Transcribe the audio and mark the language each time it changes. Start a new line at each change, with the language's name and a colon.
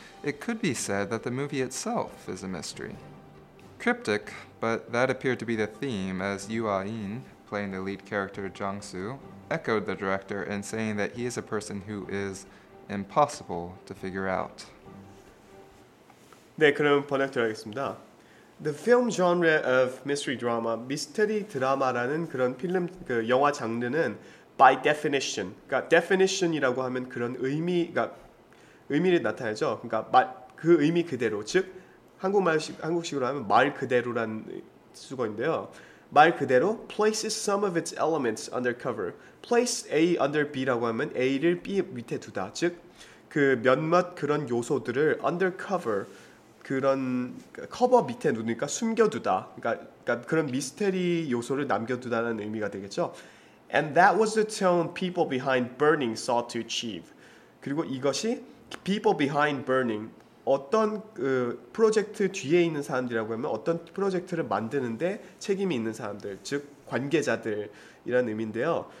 English: It could be said that the movie itself is a mystery. Cryptic, but that appeared to be the theme as Yoo Ah-in, playing the lead character Jang-soo, echoed the director in saying that he is a person who is impossible to figure out.
Korean: 네, 그럼 번역 들어가겠습니다.
English: The film genre of mystery drama,
Korean: 미스터리 드라마라는 그런 필름 그 영화 장르는
English: by definition,
Korean: 그러니까 definition이라고 하면 그런 의미가 그러니까 의미를 나타내죠. 그러니까 그 의미 그대로 즉 한국식으로 하면 말 그대로라는 수거인데요. 말 그대로
English: places some of its elements undercover. Place A under
Korean: B라고 하면 A를 B 밑에 두다. 즉, 그 몇몇 그런 요소들을 undercover, 그런 커버 밑에 두니까 숨겨두다. 그러니까 그런 미스테리 요소를 남겨두다는 의미가 되겠죠.
English: And that was the tone people behind Burning sought to achieve.
Korean: 그리고 이것이
English: people behind Burning
Korean: 어떤 그 프로젝트 뒤에 있는 사람들이라고 하면 어떤 프로젝트를 만드는데 책임이 있는 사람들, 즉 관계자들이라는 의미인데요.